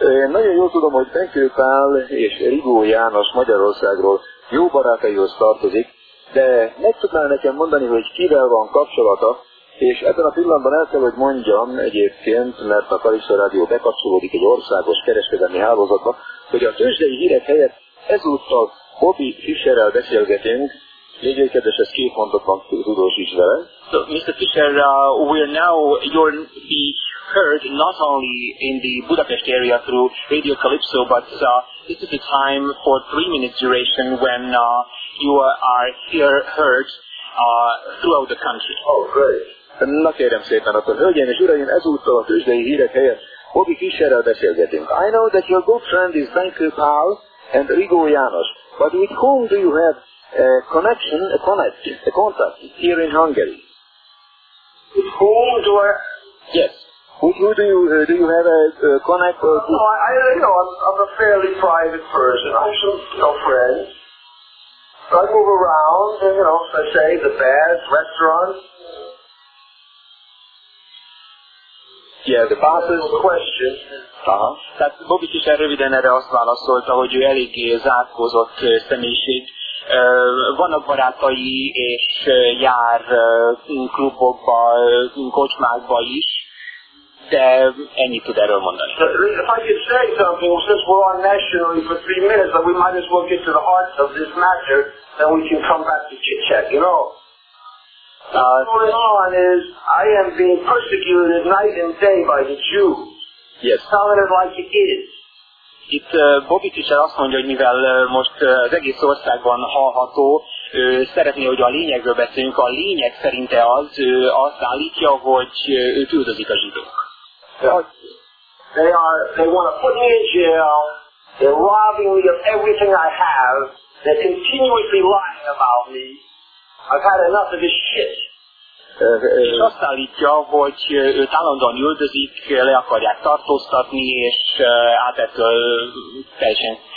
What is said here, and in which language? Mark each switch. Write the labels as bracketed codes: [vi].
[hu] Nagyon jól tudom, hogy Benkő Pál és Rigó János Magyarországról jó barátaihoz tartozik, de meg tudnál nekem mondani, hogy kivel van kapcsolata, és ebben a pillanatban el kell, hogy mondjam egyébként, mert a Kalisza Rádió bekapcsolódik egy országos kereskedelmi hálózatba, hogy a tőzsdei hírek helyett ezúttal Bobby Fischerrel beszélgetünk. Légy egy kedves, ezt két mondat van, tudósíts vele. [en] So, Mr. Fischer, you'll be heard not only in the Budapest area through Radio Calypso, but this is the time for 3 minutes duration when you are here heard throughout the country. Oh, great. [hu] Na kérem szépen, akkor hölgyeim és uraim, ezúttal a tőzsdei hírek helyett Bobby Fischerrel beszélgetünk. [en] I know that your good friend is Benkő Pál and Rigó János, but with whom do you have a contact here in Hungary? With whom do I... Yes. Who do you have a connect? I'm a fairly private person. I have no friends. So I move around, and, I say the bars, restaurants. Yeah, the bars. No question. [hu] Tehát Bobby Fischer röviden erre azt válaszolta, hogy ő eléggé zárkózott személyiség. Vannak barátai, és jár klubokba, kocsmákba is. [en] If I could say something, since we're on nationally for 3 minutes, that we might as well get to the heart of this matter, then we can come back to chit-chat, What's going on is, I am being persecuted night and day by the Jews. Yes. Tell it like it is. [hu] Itt Bobby Fischer azt mondja, hogy mivel most az egész országban hallható, szeretné, hogy a lényegről beszéljünk. A lényeg szerinte az, azt állítja, hogy őt üldözik a zsidók. [en] They want to put me in jail, they're robbing me of everything I have, they're continuously lying about me, I've had enough of this shit. [hu] És azt állítja, hogy őt állandóan üldözik, le akarják tartóztatni, és hát ettől teljesen